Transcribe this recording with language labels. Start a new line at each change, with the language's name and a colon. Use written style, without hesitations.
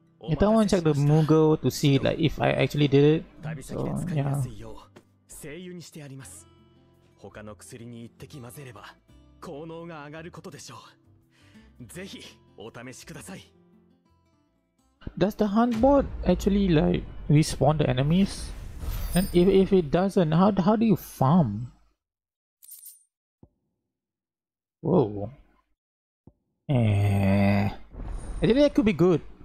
English: I don't want to check the Moogle to see like if I actually did it. So, yeah.
Japanese: 精油にしてあります。他の薬に一滴混ぜれば効能が上がることでしょう。ぜひお試しください。
English: Does the hunt board actually like respawn the enemies? And if it doesn't, how do you farm? Whoa. I think that could be good.